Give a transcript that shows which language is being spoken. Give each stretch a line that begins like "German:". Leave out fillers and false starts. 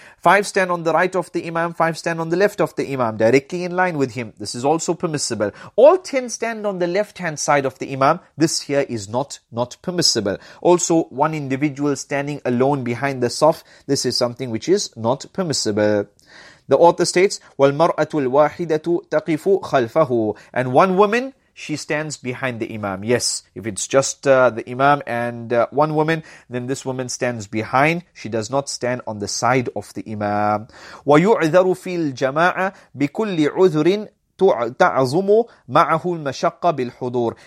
English: 5 stand on the right of the imam, 5 stand on the left of the imam, directly in line with him. This is also permissible. All 10 stand on the left-hand side of the imam. This here is not permissible. Also, one individual standing alone behind the saf, this is something which is not permissible. The author states,
Arabic: وَالْمَرْأَةُ الْوَاحِدَةُ تَقِفُ خَلْفَهُ.
English: And one woman, she stands behind the imam. Yes, if it's just the imam and one woman, then this woman stands behind. She does not stand on the side of the imam.
Arabic: وَيُعْذَرُ فِي الْجَمَاعَ بِكُلِّ عُذْرٍ تَعْظُمُ مَعَهُ الْمَشَقَّ بِالْحُضُورِ.